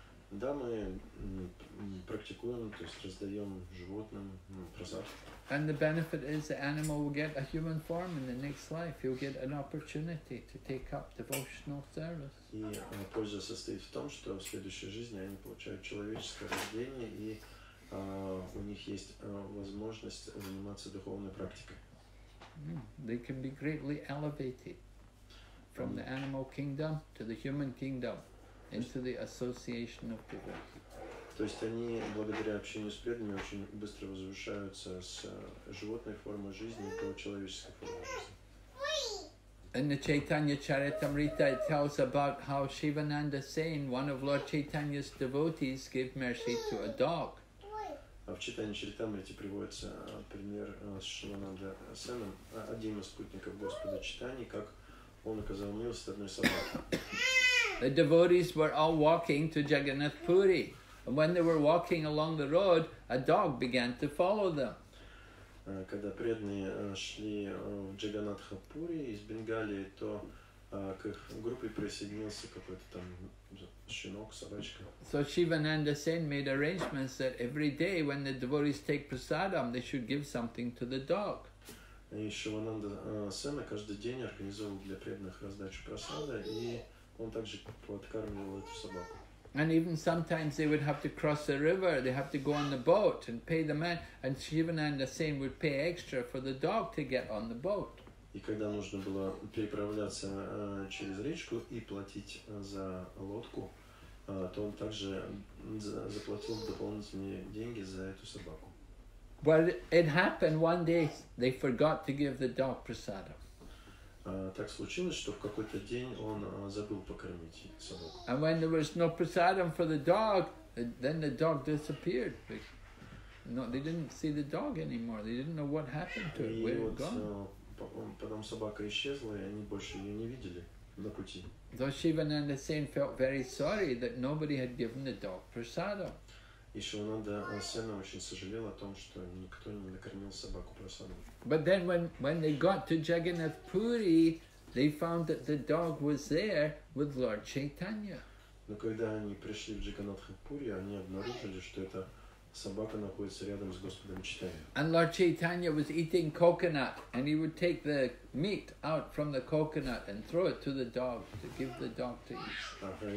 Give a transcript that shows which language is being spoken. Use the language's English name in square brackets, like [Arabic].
[Russian] Да, мы практикуем, то есть раздаем животным прасад. [English] And the benefit is the animal will get a human form in the next life. He'll get an opportunity to take up devotional service. [Russian] И польза состоит в том, что в следующей жизни они получают человеческое рождение и у них есть возможность заниматься духовной практикой. [English] They can be greatly elevated from the animal kingdom to the human kingdom into the association of devotees. [Russian] То есть они благодаря общению с преданными очень быстро возвышаются с животной формы жизни до человеческой формы жизни. [English] In the Chaitanya Charitamrita, it tells about how Shivananda Sen, one of Lord Chaitanya's devotees, gave mercy to a dog. [Russian] А в читании Чаритамриты приводится пример с Шивананда Сеном, одним из спутников Господа Чайтаньи, как он оказал милость одной собаке. [English] The devotees were all walking to Jagannath Puri, and when they were walking along the road, a dog began to follow them. [Russian] Когда преданные шли в Джаганатхапури из Бенгалии, то к их группе присоединился какой-то там щенок, собачка. [English] So Shivananda Sen made arrangements that every day when the devotees take prasadam, they should give something to the dog. [Russian] И Шивананда Сена каждый день организовал для преданных раздачу прасада, и он также подкармливал эту собаку. [English] And even sometimes they would have to cross the river, they have to go on the boat and pay the man, and Shivananda Sen would pay extra for the dog to get on the boat. [Russian] И когда нужно было переправляться через речку и платить за лодку, то он также заплатил дополнительные деньги за эту собаку. [English] Well, it happened one day they forgot to give the dog prasadam. [Russian] Так случилось, что в какой-то день он забыл покормить собаку. [English] And when there was no prasadam for the dog, Then the dog disappeared. No, they didn't see the dog anymore. They didn't know what happened to it. Where it gone? [Russian] Потом собака исчезла, и они больше ее не видели на пути. [English] So Shivananda Sen felt very sorry that nobody had given the dog prasadam. [Russian] И Шивананда Сен очень сожалел о том, что никто не накормил собаку прасадом. [English] But then when they got to Jagannath Puri, they found that the dog was there with Lord Chaitanya. [Russian] Но когда они пришли в Джаганатхапури, они обнаружили, что эта собака находится рядом с Господом Чайтанья. [English] And Lord Chaitanya was eating coconut, and he would take the meat out from the coconut and throw it to the dog to give the dog to eat.